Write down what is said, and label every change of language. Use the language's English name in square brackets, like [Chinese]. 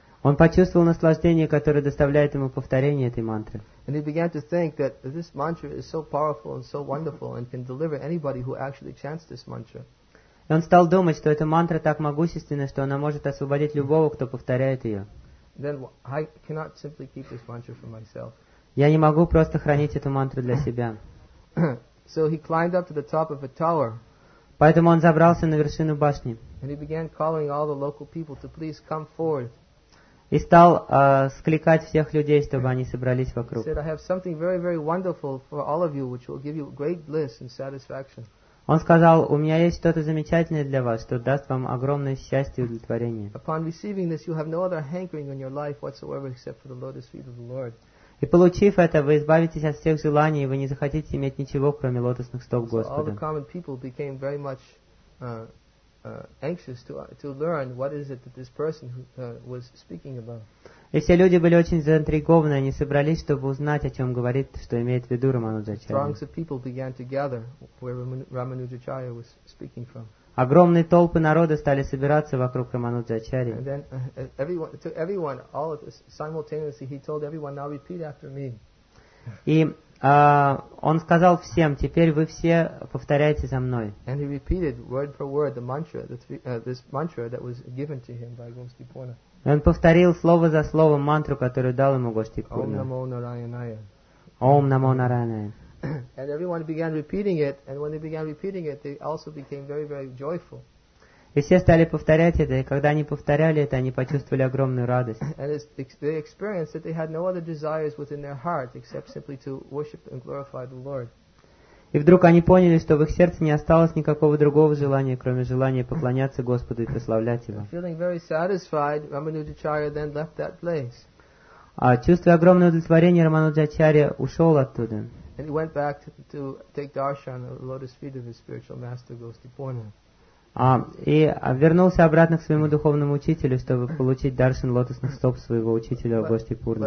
[Russian] Он почувствовал наслаждение, которое доставляет ему повторение этой мантры. [English] And he began to think that this mantra is so powerful and so wonderful and can deliver anybody who actually chants this mantra. [Russian] И он стал думать, что эта мантра так могущественна, что она может освободить любого, кто повторяет ее. [English] Then I cannot simply keep this mantra for myself. [Russian] Я не могу просто хранить эту мантру для себя. [English] So he climbed up to the top of a tower. [Russian] Поэтому он забрался на вершину башни. [English] And he began calling all the local people to please come forward. [Russian] И стал скликать всех людей, чтобы они собрались вокруг. [English] Said, "I have something very, very wonderful for all of you, which will give you great bliss and satisfaction." [Russian] Он сказал: "У меня есть что-то замечательное для вас, что даст вам огромное счастье и удовлетворение." [English] Upon receiving this, you have no other hankering in your life whatsoever, except for the lotus feet of the Lord. [Russian] И получив это, вы избавитесь от всех желаний, и вы не захотите иметь ничего, кроме лотосных стоп Господа. [English] So all the common people became very much anxious to learn what is it that this person was speaking about. [Russian] И все люди были очень заинтригованы, они собрались, чтобы узнать, о чем говорит, что имеет в виду Рамануджачарья. [English] Throngs of people began to gather where Ramanujacharya was speaking from. [Russian] Огромные толпы народа стали собираться вокруг Рамануджачарьи. [English] And then to everyone, all of this simultaneously, he told everyone, "Now repeat after me." [Russian] И он сказал всем: теперь вы все повторяйте за мной. [English] And he repeated word for word the mantra, this mantra that was given to him by Gosti Purna. [Russian] Он повторил слово за словом мантру, которую дал ему Гости Пурна. [Sanskrit] Ом намо нараяная. Om Namo Narayane. [English] And everyone began repeating it, and when they began repeating it, they also became very, very joyful. [Russian] И все стали повторять это, и когда они повторяли это, они почувствовали огромную радость. [English] And they experienced that they had no other desires within their heart except simply to worship and glorify the Lord. [Russian] И вдруг они поняли, что в их сердце не осталось никакого другого желания, кроме желания поклоняться Господу и прославлять Его. [English] Feeling very satisfied, Рамануджачарья then left that place. [Russian] А чувствуя огромное удовлетворение, Рамануджачарья ушел оттуда. [English] And he went back to take darshan at the lotus feet of his spiritual master Gostiporna. [Russian] И вернулся обратно к своему духовному учителю, чтобы получить даршан лотосных стоп своего учителя Гостипурны.